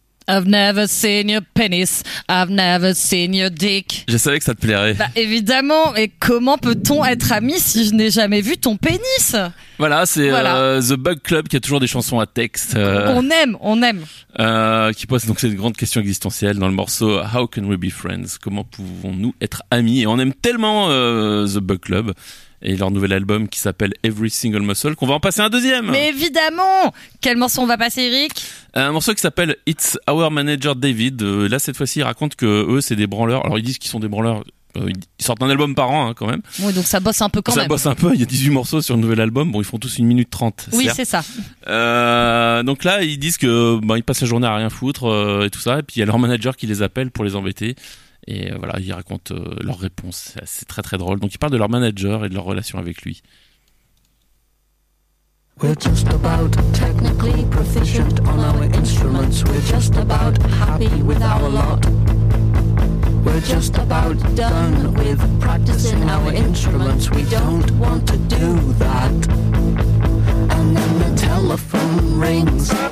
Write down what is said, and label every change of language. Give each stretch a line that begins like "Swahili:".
English: I've never seen your penis, I've never seen your dick.
French: Je savais que ça te plairait. Bah évidemment, et comment peut-on être ami si je n'ai jamais vu ton pénis? Voilà, c'est voilà. The Bug Club qui a toujours des chansons à texte. On aime. Qui pose donc cette grande question existentielle dans le morceau How Can We Be Friends? Comment pouvons-nous être amis? Et on aime tellement The Bug Club et leur nouvel album qui s'appelle Every Single Muscle qu'on va en passer un deuxième. Mais évidemment! Quel morceau on va passer, Eric? Un morceau qui s'appelle It's Our Manager David. Là, cette fois-ci, ils racontent que eux, c'est des branleurs. Alors, ils disent qu'ils sont des branleurs. Ils sortent un album par an hein, quand même. Oui, donc ça bosse un peu quand ça même. Ça bosse un peu, il y a 18 morceaux sur le nouvel album. Bon, ils font tous 1 minute 30. Oui, c'est ça. Donc là, ils disent que ils passent la journée à rien foutre et tout ça. Et puis il y a leur manager qui les appelle pour les embêter. Et voilà, ils racontent leurs réponses. C'est très très drôle. Donc ils parlent de leur manager et de leur relation avec lui.
English: We're just about technically proficient on our instruments. We're just about happy with our lot. We're just about done with practicing our instruments. We don't want to do that. And then the telephone rings.